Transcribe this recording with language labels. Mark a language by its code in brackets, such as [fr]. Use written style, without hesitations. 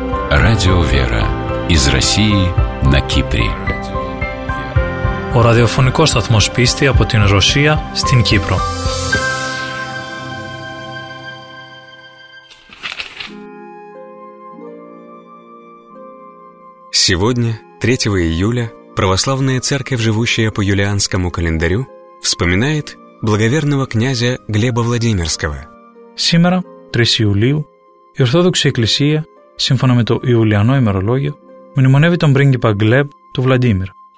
[ru] Радио «Вера» из России на Кипре. [el] Ο ραδιοφωνικός σταθμός πίστη από την Ρωσία στην Κύπρο. [ru] Сегодня, 3 июля, Православная Церковь, живущая по юлианскому календарю, вспоминает благоверного князя Глеба Владимирского. [el] Сегодня, 3 июля, η Ορθόδοξη Εκκλησία, σύμφωνα με το Ιουλιανό ημερολόγιο, μνημονεύει τον πρίγκιπα Γκλεμπ του Βλαντίμιρ.